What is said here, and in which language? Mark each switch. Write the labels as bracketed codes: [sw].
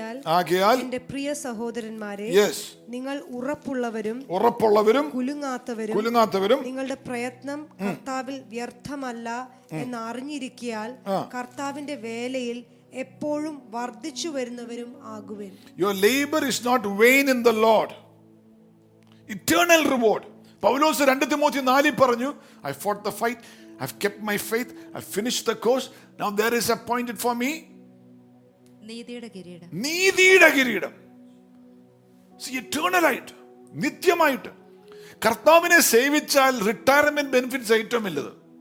[ml] ആകയാൽ എന്റെ പ്രിയ സഹോദരന്മാരെ, യെസ്, നിങ്ങൾ ഉറപ്പുള്ളവരും ഉറപ്പുള്ളവരും കുലുങ്ങാത്തവരും കുലുങ്ങാത്തവരും നിങ്ങളുടെ പ്രയത്നം കർത്താവിൽ വ്യർത്ഥമല്ല എന്ന് അറിഞ്ഞിരിക്കയാൽ കർത്താവിന്റെ വേലയിൽ എപ്പോഴും വർദ്ധിച്ചു വരുന്നവരും ആകുവിൻ. [en] Your labor is not vain in the Lord. Eternal reward. [ml] Paulose 2 Timothy 4 പറഞ്ഞു, [en] I fought the fight, I've kept my faith, I've finished the course, now there is appointed for me [ml] നിത്യമായിട്ട് കർത്താവിനെ സേവിച്ചാൽ റിട്ടയർമെന്റ് ബെനിഫിറ്റ്സ് ഏറ്റവും വലുത്.